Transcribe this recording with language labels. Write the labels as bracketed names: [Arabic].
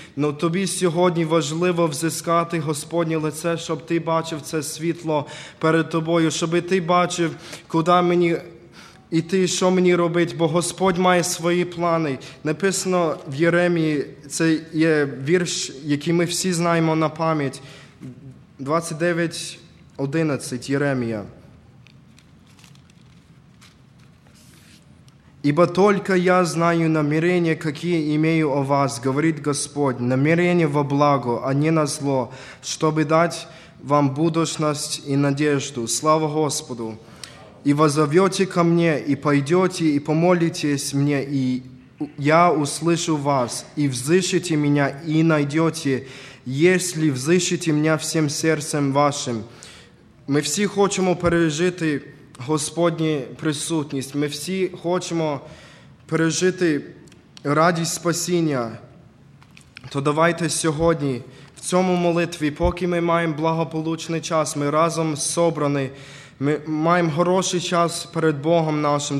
[Ukrainian] Но тобі сьогодні важливо взискати Господнє лице, щоб ти бачив це світло перед тобою, щоб ти бачив, куди мені іти, що мені робити, бо Господь має свої плани. Написано в Єремії, це є вірш, який ми всі знаємо на пам'ять, 29:11, Єремія. [Russian] «Ибо только я знаю намерения, какие имею о вас, говорит Господь, намерения во благо, а не на зло, чтобы дать вам будущность и надежду. Слава Господу! И возовете ко мне, и пойдете, и помолитесь мне, и я услышу вас, и взыщете меня, и найдете, если взыщете меня всем сердцем вашим». Мы все хотим пережить Господню присутність. [Ukrainian] Ми всі хочемо пережити радість спасіння. То давайте сьогодні в цьому молитві, поки ми маємо благополучний час, ми разом зібрані, ми маємо хороший час перед Богом нашим.